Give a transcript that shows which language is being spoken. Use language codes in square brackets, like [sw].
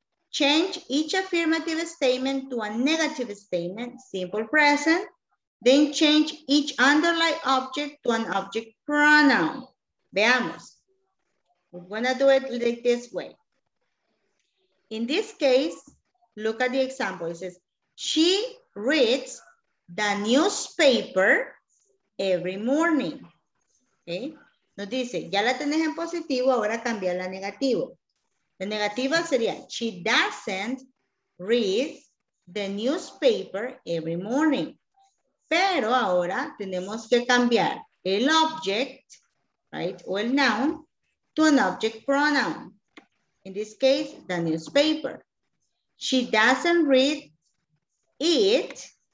[en] Change each affirmative statement to a negative statement, simple present, then change each underlined object to an object pronoun. [es] Veamos. [en] We're gonna do it like this way. In this case, look at the example. It says, she reads the newspaper every morning. Okay. [es] Nos dice, ya la tenés en positivo, ahora cambia la negativo. La negativa sería, [en] she doesn't read the newspaper every morning. [es] Pero ahora tenemos que cambiar el object, right, o el noun, [en] to an object pronoun. [es] In this case, [en] the newspaper. She doesn't read it.